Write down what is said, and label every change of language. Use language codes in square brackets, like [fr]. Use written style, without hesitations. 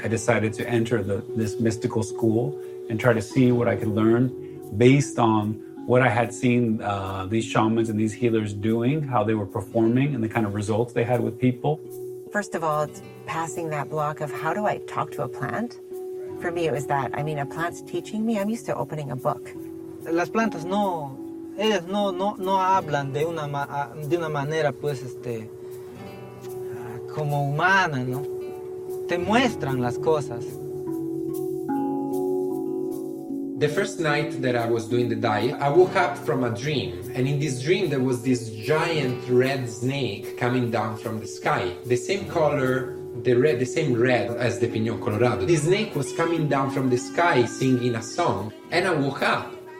[en] I decided to enter this mystical school and try to see what I could learn based on what I had seen these shamans and these healers doing, how they were performing, and the kind of results they had with people. First of all, it's passing that block of how do I talk to a plant? For me, it was that. I mean, a plant's teaching me. I'm used to opening a book. [es] Las plantas no, ellas no hablan de una manera, pues, como humana, ¿no? te muestran las cosas. [en] The first night that I was doing the diet, I woke up from a dream. And in this dream, there was this giant red snake coming down from the sky. The same color, the same red as the Piñón Colorado. The snake was coming down from the sky singing a song, and I woke up.